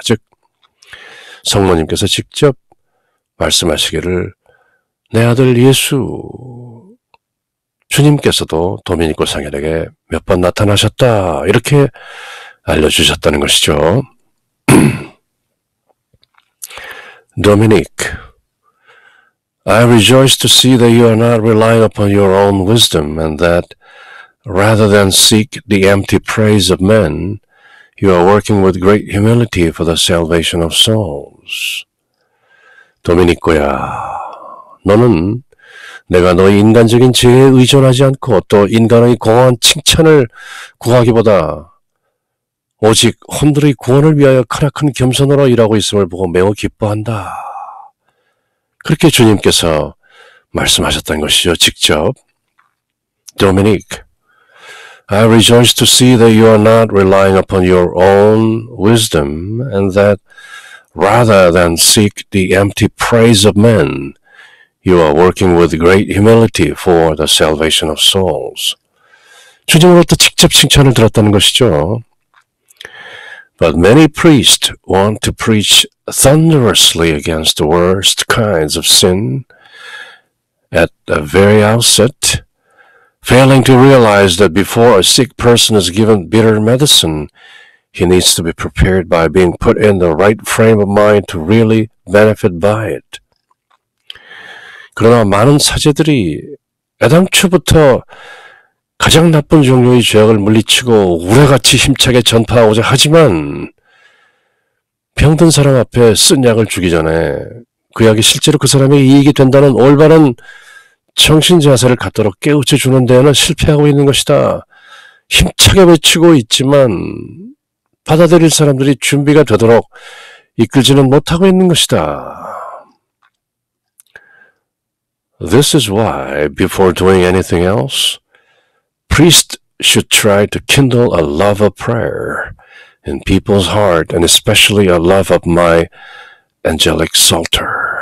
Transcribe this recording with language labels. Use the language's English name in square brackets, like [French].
[Korean] 즉, 성모님께서 직접 말씀하시기를 내 아들 예수 주님께서도 도미니코 성현에게 몇 번 나타나셨다 이렇게 알려주셨다는 것이죠. [English] Dominique, I rejoice to see that you are not relying upon your own wisdom and that rather than seek the empty praise of men, you are working with great humility for the salvation of souls. [Korean] 도미니코야, 너는 내가 너의 인간적인 지혜에 의존하지 않고 또 인간의 공허한 칭찬을 구하기보다 오직 혼들의 구원을 위하여 크나큰 겸손으로 일하고 있음을 보고 매우 기뻐한다. 그렇게 주님께서 말씀하셨던 것이죠. 직접 [English] 도미닉, I rejoice to see that you are not relying upon your own wisdom and that rather than seek the empty praise of men, you are working with great humility for the salvation of souls. [Korean] 주님으로부터 직접 칭찬을 들었다는 것이죠. [English] But many priests want to preach thunderously against the worst kinds of sin at the very outset, failing to realize that before a sick person is given bitter medicine, he needs to be prepared by being put in the right frame of mind to really benefit by it. [Korean] 그러나 많은 사제들이 애당초부터 가장 나쁜 종류의 죄악을 물리치고 우레같이 힘차게 전파하고자 하지만 병든 사람 앞에 쓴 약을 주기 전에 그 약이 실제로 그 사람에게 이익이 된다는 올바른 정신자세를 갖도록 깨우쳐주는 데에는 실패하고 있는 것이다. 힘차게 외치고 있지만 받아들일 사람들이 준비가 되도록 이끌지는 못하고 있는 것이다. [English] This is why, before doing anything else, priests should try to kindle a love of prayer in people's heart and especially a love of my angelic psalter.